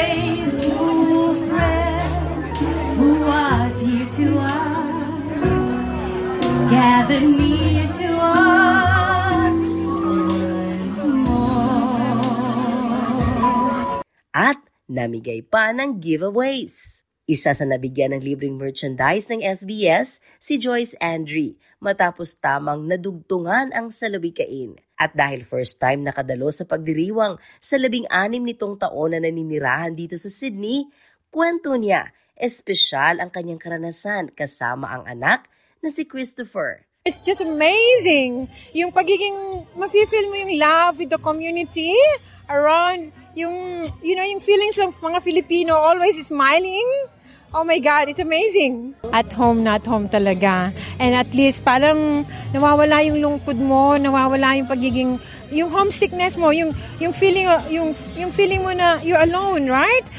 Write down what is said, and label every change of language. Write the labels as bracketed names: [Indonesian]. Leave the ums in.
[English] Faithful friends who are dear to us, gather near to us once more. [Filipino] at namigay pa ng giveaways. Isa sa nabigyan ng libreng merchandise ng SBS, si Joyce Andre, matapos tamang nadugtungan ang salawikain. At dahil [English] first time [Filipino] nakadalo sa pagdiriwang sa labing-anim nitong taon na naninirahan dito sa Sydney, kwento niya, espesyal ang kanyang karanasan kasama ang anak na si Christopher. [English] It's just amazing. [Filipino] Yung pagiging, mafe-feel mo yung [English] love with the community around yung, you know, yung feelings of mga Filipino always smiling, Oh my God, it's amazing. [Filipino] At home na at home talaga. And at least parang nawawala yung lungkod mo, nawawala yung pagiging yung homesickness mo, yung yung feeling yung yung feeling mo na [English] you're alone, right?